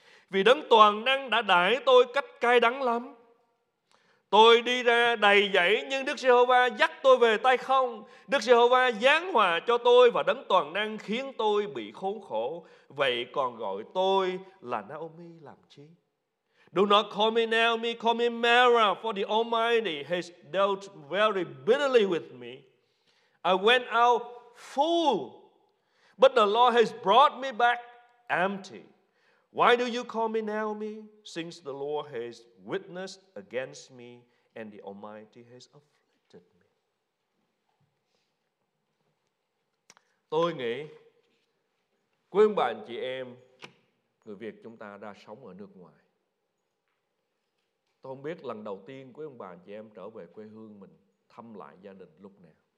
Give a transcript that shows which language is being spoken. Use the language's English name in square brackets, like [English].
[Vietnamese] Vì đấng toàn năng đã đãi tôi cách cay đắng lắm. Tôi đi ra đầy dẫy nhưng Đức Giê-hô-va dắt tôi về tay không. Đức Giê-hô-va giáng hòa cho tôi và đấng toàn năng khiến tôi bị khốn khổ. Vậy còn gọi tôi là Naomi làm chi? [English] Do not call me Naomi, call me Mara, for the Almighty has dealt very bitterly with me. I went out full, but the Lord has brought me back empty. Why do you call me Naomi? Since the Lord has witnessed against me and the Almighty has afflicted me. [Vietnamese] Tôi nghĩ quý ông bà anh chị em người Việt chúng ta đã sống ở nước ngoài. Tôi không biết lần đầu tiên quý ông bà anh chị em trở về quê hương mình thăm lại gia đình lúc nào.